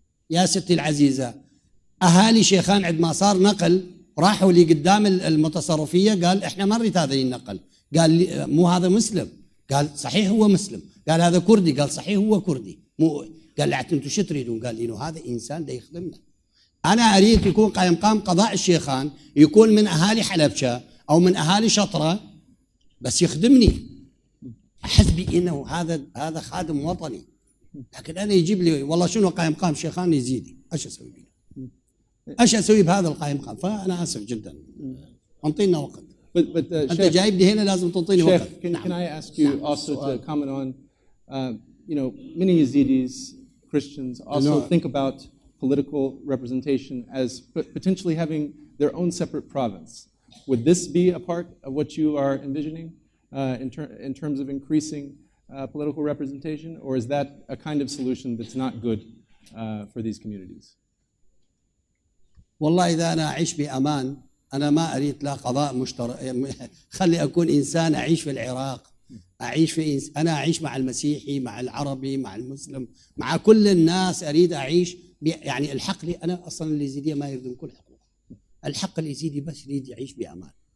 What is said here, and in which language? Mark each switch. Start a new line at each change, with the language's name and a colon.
Arabic: يا ستي العزيزة أهالي شيخان عندما صار نقل راحوا لي قدام المتصرفية قال إحنا ما نريد هذا النقل قال لي مو هذا مسلم قال صحيح هو مسلم قال هذا كردي قال صحيح هو كردي مو قال لي أنتم شو تريدون قال إنه هذا إنسان ده يخدمنا أنا أريد يكون قائم قام قضاء الشيخان يكون من أهالي حلبشة أو من أهالي شطرة بس يخدمني أحس بأنه هذا خادم وطني لكن أنا يجيب لي والله شنو قائم قام شيخان يزيدي أش أسوي بي أش أسوي بهذا القائم قام فأنا آسف جدا أنطينا وقت أنت جايب لي هنا لازم تنطيني وقت
English: شيخ can I ask you also to comment on you know many Yazidis Christians also think about political representation as potentially having their own separate province. Would this be a part of what you are envisioning in terms of increasing political representation, or is that a kind of solution that's not good for these communities?
Arabic: والله إذا أنا أعيش بأمان أنا ما أريد لا قضاء مشترك خلي أكون إنسان أعيش في العراق أعيش في أنا أعيش مع المسيحي مع العربي مع المسلم مع كل الناس أريد أعيش يعني الحق لي أنا أصلاً اليزيدية ما يريدون كل حقوق الحق اليزيدي بس يريد يعيش بأمان